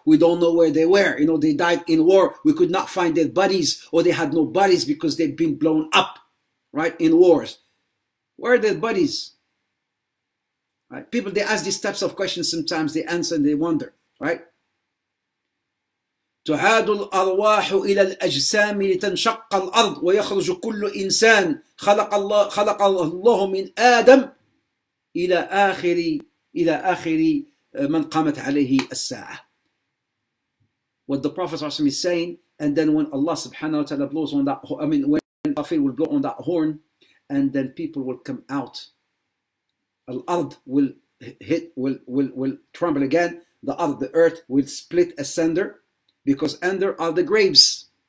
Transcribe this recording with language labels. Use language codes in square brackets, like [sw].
[en] We don't know where they were. They died in war. We could not find their bodies, or they had no bodies because they've been blown up, right, in wars. Where are their bodies? Right? People, they ask these types of questions sometimes, they answer and they wonder, right? [ar] تعاد الأرواح إلى الأجسام لتنشق الأرض ويخرج كل إنسان خلق الله من آدم إلى آخر من قامت عليه الساعة. [en] What the Prophet is saying, and then when Allah subhanahu wa ta'ala blows on that, I mean when Israfil will blow on that horn, and then people will come out. Al-ard will hit, will tremble again. The earth will split asunder. Because under are the graves.